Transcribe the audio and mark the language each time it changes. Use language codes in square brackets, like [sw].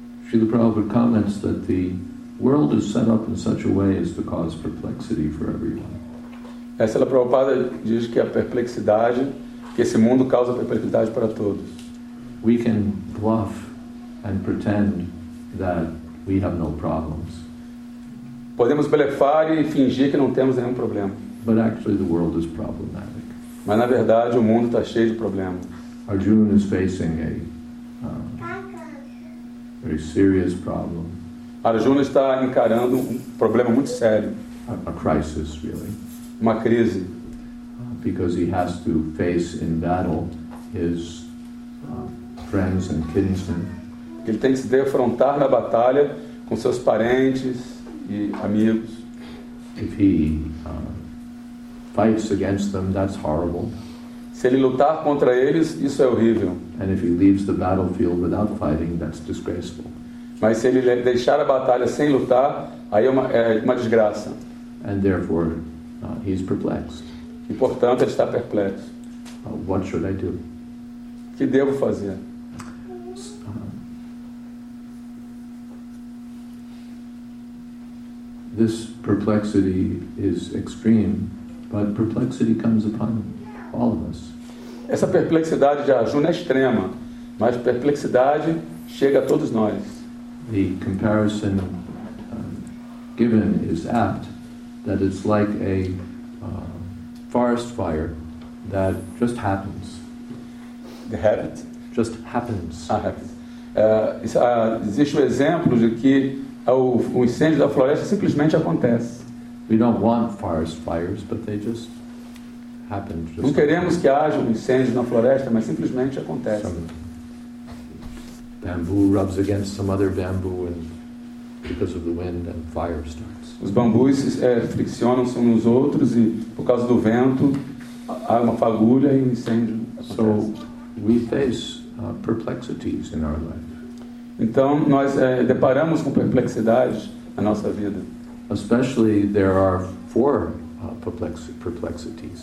[en] Srila Prabhupada comments that the world is set up in such a way as to cause perplexity for everyone. [pt] Srila Prabhupada diz que a perplexidade, que esse mundo causa perplexidade para todos. [en] We can bluff and pretend that we have no problems. [pt] Podemos blefar e fingir que não temos nenhum problema. [en] But actually the world is problematic. [pt] Mas na verdade o mundo está cheio de problemas. [en] Arjuna is facing a very serious problem. [pt] Arjuna está encarando um problema muito sério. [en] A crisis, really. [pt] Uma crise. [en] Because he has to face in battle his friends and kinsmen. [pt] Ele tem que se defrontar na batalha com seus parentes e amigos. [en] If he fights against them, that's horrible. [pt] Se ele lutar contra eles, isso é horrível. [en] And if he leaves the battlefield without fighting, that's disgraceful. [pt] Mas se ele deixar a batalha sem lutar, aí é uma desgraça. [en] And therefore, he's perplexed. [pt] E portanto, ele está perplexo. [en] What should I do? [pt] Que devo fazer? [en] This perplexity is extreme, but perplexity comes upon all of us. [pt] Essa perplexidade de Arjuna é extrema, mas perplexidade chega a todos nós. [en] The comparison given is apt, that it's like a forest fire that just happens. The habit? Just happens. Ah, habit. [pt] Existe um exemplo de que o incêndio da floresta simplesmente acontece. [en] We don't want forest fires, but they just happen. Just [pt] não queremos que haja incêndio na floresta, mas simplesmente acontece. [en] Bamboo rubs against some other bamboo and because of the wind and fire starts. [pt] Os bambus friccionam-se uns nos outros e por causa do vento há uma fagulha e incêndio. [en] So we face perplexities in our life. [pt] Então nós deparamos com perplexidades na nossa vida. [en] Especially there are four perplexities.